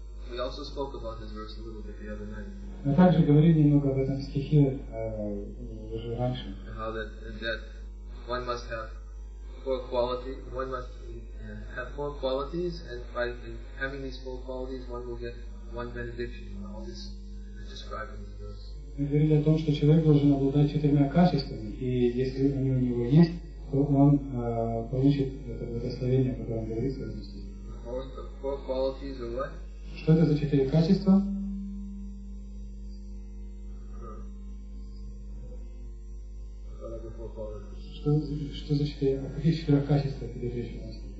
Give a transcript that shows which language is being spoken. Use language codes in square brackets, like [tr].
[en] We also spoke about this verse a little bit the other night. [ru] Мы также говорили немного об этом стихе уже раньше. [en] How that, that one must have four qualities, one must have four qualities, and by having these four qualities, one will get one benediction. All this described in this verse. [ru] Мы говорили о том, что человек должен обладать четырьмя качествами, и если они у него есть, то он получит это благословение, которое он говорит в своем стихе. Что это за четыре качества? О каких четырех качествах идет речь у нас?